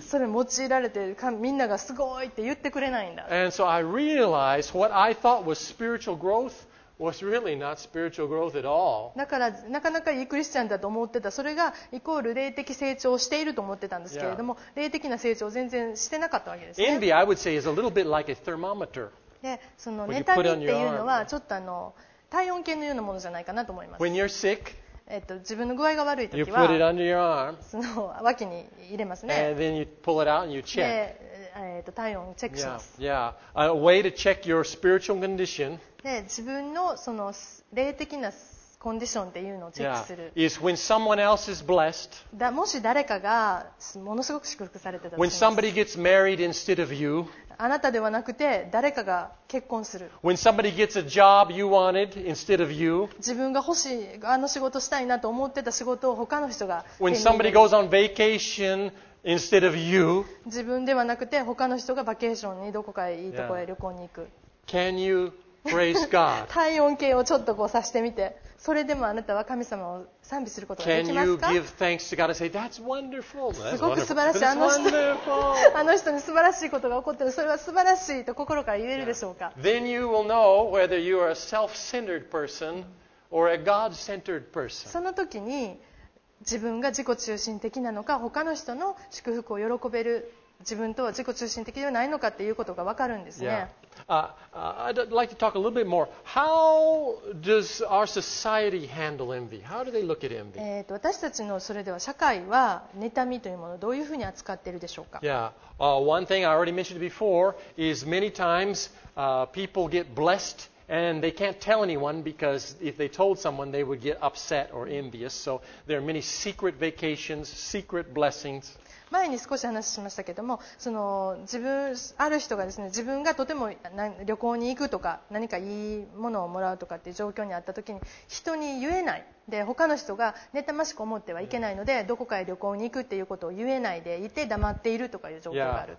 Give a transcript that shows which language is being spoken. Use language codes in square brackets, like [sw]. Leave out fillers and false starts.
[ja] それ用いられて、みんながすごいって言ってくれないんだ。 [en] And so I realized what I thought was spiritual growth was really not spiritual growth at all. [ja] だからなかなかいいクリスチャンだと思ってた。それがイコール霊的成長していると思ってたんですけれども、霊的な成長全然してなかったわけですね。 [en] Envy, I would say, is a little bit like a thermometer. [ja] で、その妬みっていうのはちょっと体温計のようなものじゃないかなと思います。 [en] When you're sick. [ja] 自分の具合が悪いときは、その脇に入れますね。 [en] And then you pull it out and you check. [ja] で、体温をチェックします。 [en] Yeah. A way to check your spiritual condition. [ja] で、自分のその霊的なコンディションっていうのをチェックする。 [en] Yeah. Is when someone else is blessed. [ja] だ、もし誰かがものすごく祝福されてたとき。 [en] When somebody gets married instead of you. [ja] あなたではなくて誰かが結婚する。 [en] When somebody gets a job you wanted instead of you. [ja] 自分が欲しい、あの仕事したいなと思ってた仕事を他の人が。 [en] When somebody goes on vacation instead of you. [ja] 自分ではなくて他の人がバケーションにどこかへいいとこへ旅行に行く。 [en] Can you praise God? [ja] 体温計をちょっとこうさしてみて。それでもあなたは神様を賛美することができますか? [en] Can you give thanks to God and say, That's wonderful. [ja] すごく素晴らしい。あの人に素晴らしいことが起こっている。それは素晴らしいと心から言えるでしょうか? [en] Yeah. Then you will know whether you are a self-centered person or a God-centered person. [ja] その時に自分が自己中心的なのか、他の人の祝福を喜べる自分とは自己中心的ではないのかということが分かるんですね。 [en] Yeah. I'd like to talk a little bit more. How does our society handle envy? How do they look at envy? [ja] 私たちのそれでは社会は妬みというものをどういうふうに扱っているでしょうか? [en] Yeah. One thing I already mentioned before is many times people get blessed. And they can't tell anyone because if they told someone, they would get upset or envious. So there are many secret vacations, secret blessings. [ja] 前に少し話しましたけども、その自分ある人がですね、自分がとても旅行に行くとか何かいいものをもらうとかっていう状況にあったときに、人に言えない。で、他の人が妬ましく思ってはいけないので、どこかへ旅行に行くっていうことを言えないでいて黙っているとかいう状況がある。